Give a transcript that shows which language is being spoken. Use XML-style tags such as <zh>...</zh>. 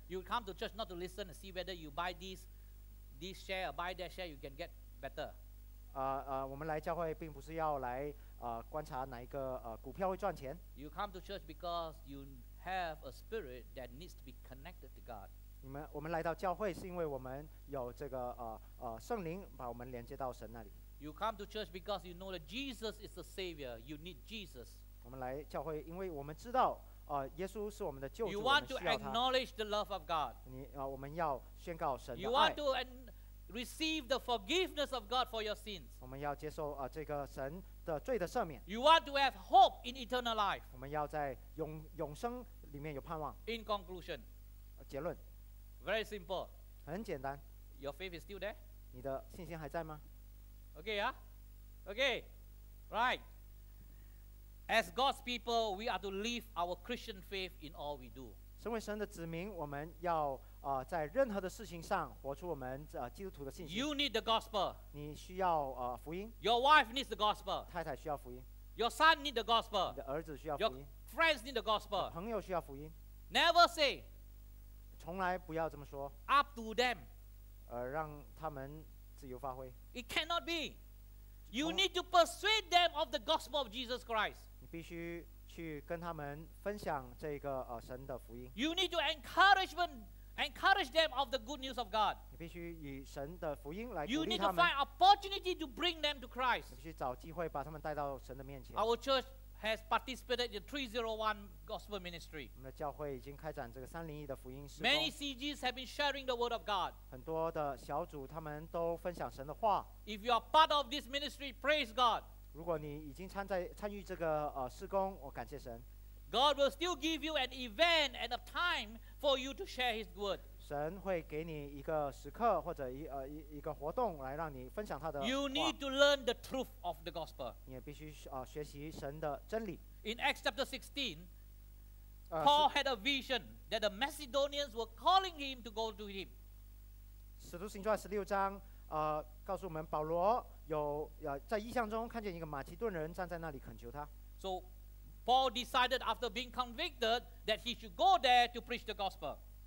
<en>You come to church not to listen and see whether you buy this share or buy that share, you can get better.</en> <zh>我们来教会并不是要来。观察哪一个股票会赚钱。</zh> <en>You come to church because you have a spirit that needs to be connected to God.</en> <zh>我们来到教会是因为我们有这个圣灵把我们连接到神那里。</zh> <en>You come to church because you know that Jesus is the Savior. You need Jesus.</en> <zh>我们来教会因为我们知道耶稣是我们的救主，我们需要他。</zh> <en>You want to acknowledge the love of God.</en> <zh>我们要宣告神的爱。</zh> <en>You want to receive the forgiveness of God for your sins.</en> <zh>我们要接受这个神。的罪的赦免。</zh> <en>You want to have hope in eternal life.</en> <zh>我们要在永生里面有盼望。</zh> <en>In conclusion,</en> <zh>结论。</zh> <en>Very simple.</en> <zh>很简单。</zh> <en>Your faith is still there?</en> <zh>你的信心还在吗</zh> <en>？Okay, yeah. Okay, right. As God's people, we are to live our Christian faith in all we do.</en> <zh>身为神的子民，我们要在任何的事情上活出我们基督徒的信心。</zh> <en>You need the gospel.</en> <zh>你需要福音。</zh> <en>Your wife needs the gospel.</en> <zh>太太需要福音。</zh> <en>Your son needs the gospel.</en> <zh>你的儿子需要福音。</zh> <en>Your friends need the gospel.</en> <zh>朋友需要福音。</zh> <en>Never say.</en> <zh>从来不要这么说。</zh> <en>Up to them.</en> <zh>让他们自由发挥。</zh> <en>It cannot be. You need to persuade them of the gospel of Jesus Christ.</en> <zh>你必须去跟他们分享这个神的福音。</zh> <en>You need to encourage them of the good news of God.</en> <zh>你必须以神的福音来鼓励他们。</zh> <en>You need to find opportunity to bring them to Christ.</en> <zh>你必须找机会把他们带到神的面前。</zh> <en>Our church has participated in 301 gospel ministry.</en> <zh>我们的教会已经开展这个301的福音事工。</zh> <en>Many CGs have been sharing the word of God.</en> <zh>很多的小组他们都分享神的话。</zh> <en>If you are part of this ministry, praise God.</en> <zh>如果你已经参与这个事工，我感谢神。</zh> <en>God will still give you an event and a time for you to share His word.</en> <zh>神会给你一个时刻或者一个活动来让你分享他的话。</zh> <en>You need to learn the truth of the gospel.</en> <zh>你也必须学习神的真理。</zh> <en>In Acts chapter 16, Paul had a vision that the Macedonians were calling him to go to him.</en> <zh>使徒行传十六章告诉我们保罗有在异象中看见一个马其顿人站在那里恳求他。</zh> <en>So. Paul decided after being convicted that he should go there to preach the gospel.</en>